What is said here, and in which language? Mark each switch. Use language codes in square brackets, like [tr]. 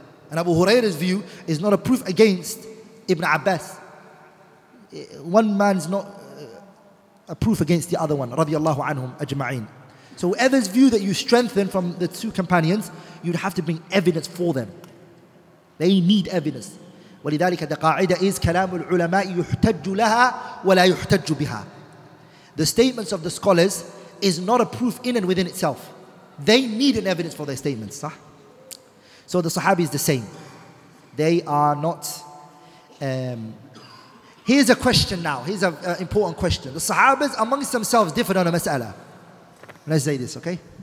[en] And Abu Hurairah's view is not a proof against Ibn Abbas. One man's not a proof against the other one, radiallahu anhum ajma'in. So whoever's view that you strengthen from the two companions, you'd have to bring evidence for them. They need evidence. [ar] ولذلك القاعدة [en] is [ar] كلام العلماء يحتج لها ولا يحتج بها. [en] The statements of the scholars is not a proof in and within itself. They need an evidence for their statements. صح? So the Sahabi is the same. They are not. Here's a question now. Here's an important question. The Sahabas amongst themselves differed on a mas'ala. Let's say this, okay?